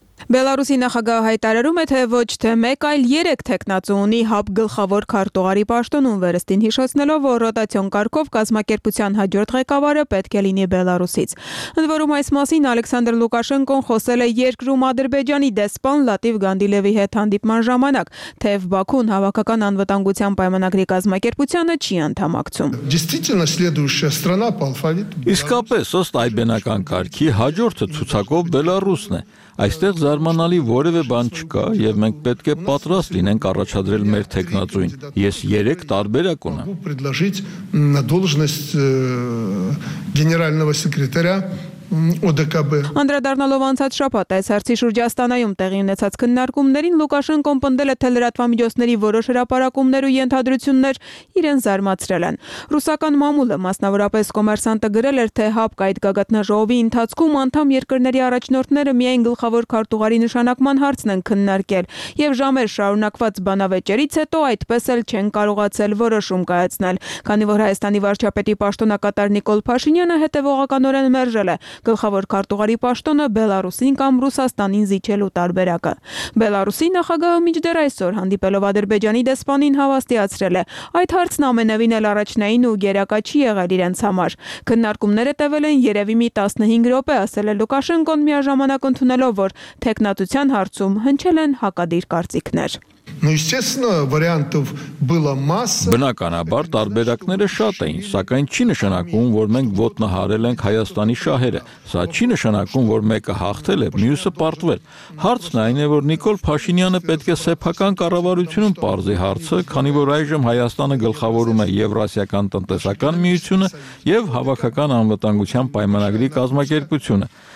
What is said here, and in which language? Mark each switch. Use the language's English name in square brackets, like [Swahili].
[Armenian] Բելարուսի նախագահը հայտարարում է, թե ոչ թե մեկ, այլ 3 թեկնածու ունի ՀԱՊԿ գլխավոր քարտուղարի պաշտոնում, վերստին հիշեցնելով, որ ռոտացիոն կարգով կազմակերպության հաջորդ ղեկավարը պետք է լինի Բելարուսից։ Ընդ որում այս մասին Ալեքսանդր Լուկաշենկոն խոսել է երկրում Ադրբեջանի դեսպան Լատիվ Գանդիլևի հետ հանդիպման ժամանակ, թեև Բաքուն հավաքական անվտանգության պայմանագրի կազմակերպությունը չի ընդհամակցում։ [Russian] Действительно, следующая страна по алфавиту. [Armenian] Իսկապես, ըստ այբենական կարգի, հաջորդը ցուցակով Բելարուսն է։ Այստեղ զարմանալի որևէ բան չկա եւ մենք պետք է պատրաստ լինենք առաջադրել մեր թեկնածուին։ Ես 3 տարբերակ ունեմ։ [Russian] Могу предложить на должность генерального секретаря ՕԴԿԲ։ [Armenian] Անդրադառնալով անցած շաբաթ այս հարցի շուրջ Աստանայում տեղի ունեցած քննարկումներին Լուկաշենկոն պնդել է, թե լրատվամիջոցների որոշ հրապարակումներ ու ենթադրություններ իրեն զարմացրել են։ Ռուսական մամուլը մասնավորապես Կոմերսանտը գրել էր, թե ՀԱՊԿ այդ գագաթնաժողովի ընթացքում անդամ երկրների առաջնորդները միայն գլխավոր քարտուղարի նշանակման հարցն են քննարկել, եւ ժամեր շարունակված բանավեճերից հետո այդպես էլ չեն կարողացել որոշում կայացնել, քանի որ Հայաստանի վարչապետի պաշտոնակատար Նիկոլ Փաշինյանը հետևողականորեն մերժել է գլխավոր քարտուղարի պաշտոնը Բելարուսին կամ Ռուսաստանին զիջելու տարբերակը։ Բելարուսի նախագահը մինչդեռ այսօր հանդիպելով Ադրբեջանի դեսպանին հավաստիացրել է, այդ հարցն ամենևին էլ առաջնային ու գերակա չի եղել իրենց համար։ Քննարկումները տևել են երևի մի 15 րոպե, ասել է Լուկաշենկոն, միաժամանակ ընդունելով, որ թեկնածության հարցում հնչել են հակադիր կարծիքներ։ [Russian] Ну, естественно, вариантов было масса. [Armenian] Բնականաբար տարբերակները շատ էին, սակայն չի նշանակում, որ մենք ոտնահարել ենք Հայաստանի շահերը։ Սա չի նշանակում, որ մեկը հաղթել է, մյուսը պարտվել։ Հարցն այն է, որ Նիկոլ Փաշինյանը պետք է սեփական կառավարությունում պարզի հարցը, քանի որ այժմ Հայաստանը գլխավորում է Եվրասիական տնտեսական միությունը եւ Հավաքական անվտանգության պայմանագրի կազմակերպությունը։